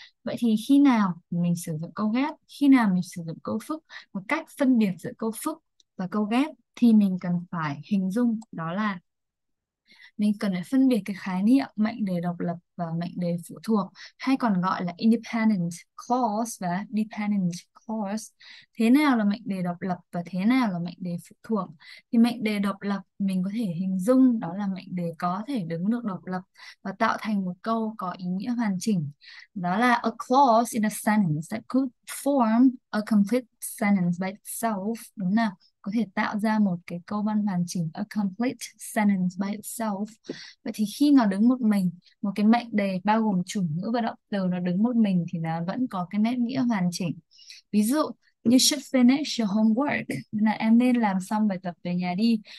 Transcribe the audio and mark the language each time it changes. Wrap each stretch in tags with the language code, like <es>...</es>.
<vi>Vậy thì khi nào mình sử dụng câu ghép, khi nào mình sử dụng câu phức, và cách phân biệt giữa câu phức và câu ghép thì mình cần phải hình dung, đó là mình cần phải phân biệt cái khái niệm mệnh đề độc lập và mệnh đề phụ thuộc, hay còn gọi là independent clause và dependent clause. Thế nào là mệnh đề độc lập và thế nào là mệnh đề phụ thuộc? Thì mệnh đề độc lập mình có thể hình dung đó là mệnh đề có thể đứng được độc lập và tạo thành một câu có ý nghĩa hoàn chỉnh. Đó là</vi> <en>a clause in a sentence that could form a complete sentence by itself.</en> <vi>Đúng nào? Có thể tạo ra một cái câu văn hoàn chỉnh,</vi> <en>a complete sentence by itself.</en> <vi>Vậy thì khi nó đứng một mình, một cái mệnh đề bao gồm chủ ngữ và động từ nó đứng một mình thì nó vẫn có cái nét nghĩa hoàn chỉnh. Ví dụ,</vi> <en>you should finish your homework,</en> <vi>là em nên làm xong bài tập về nhà đi.</vi>